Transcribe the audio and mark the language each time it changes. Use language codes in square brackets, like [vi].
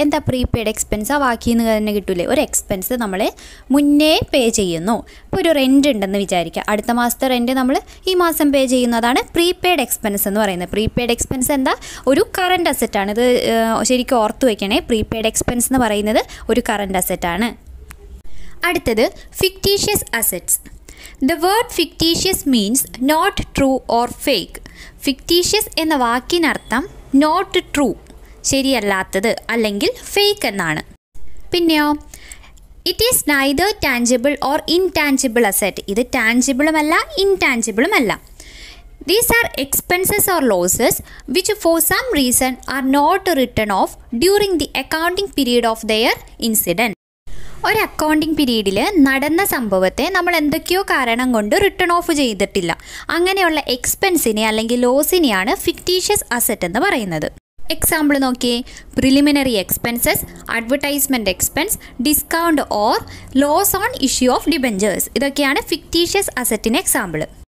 [ml] എന്താ prepaid expense? ആ വാക്കിൽ നിന്ന് തന്നെ കിട്ടൂലേ, ഒരു എക്സ്പെൻസ് നമ്മൾ മുന്നേ പേ ചെയ്യുന്നു. ഇപ്പോൾ ഒരു റെൻ്റ് ഉണ്ടെന്ന് വിചാരിക്കുക, അടുത്ത മാസത്തെ റെൻ്റ് നമ്മൾ ഈ മാസം പേ ചെയ്യുന്നതാണ് പ്രീപെയ്ഡ് എക്സ്പെൻസ് എന്ന് പറയുന്നത്. പ്രീപെയ്ഡ് എക്സ്പെൻസ് എന്താ, ഒരു കറൻറ്റ് അസറ്റാണ്. ഇത് ശരിക്കും ഓർത്തു വയ്ക്കണേ, പ്രീപെയ്ഡ് എക്സ്പെൻസ് എന്ന് പറയുന്നത് ഒരു കറൻറ്റ് അസറ്റാണ്. അടുത്തത് fictitious assets. [en] The word fictitious means not true or fake. [ml] Fictitious എന്ന വാക്കിനർത്ഥം [en] not true, [ml] ശരിയല്ലാത്തത് അല്ലെങ്കിൽ fake എന്നാണ്. പിന്നെയോ, [en] it is neither tangible or intangible asset. [ml] ഇത് ടാഞ്ചിബിളുമല്ല ഇൻടാഞ്ചിബിളുമല്ല. [en] These are expenses or losses which for some reason are not written off during the accounting period of their incident. [ml] ഒരു accounting പീരീഡിൽ നടന്ന സംഭവത്തെ നമ്മൾ എന്തൊക്കെയോ കാരണം കൊണ്ട് റിട്ടേൺ ഓഫ് ചെയ്തിട്ടില്ല, അങ്ങനെയുള്ള എക്സ്പെൻസിനെ അല്ലെങ്കിൽ ലോസിനെയാണ് ഫിക്റ്റീഷ്യസ് അസറ്റ് എന്ന് പറയുന്നത്. എക്സാമ്പിൾ നോക്കിയേ, preliminary expenses, advertisement expense, discount or loss on issue of debentures, ഇതൊക്കെയാണ് ഫിക്റ്റീഷ്യസ് അസറ്റിന് എക്സാമ്പിൾ.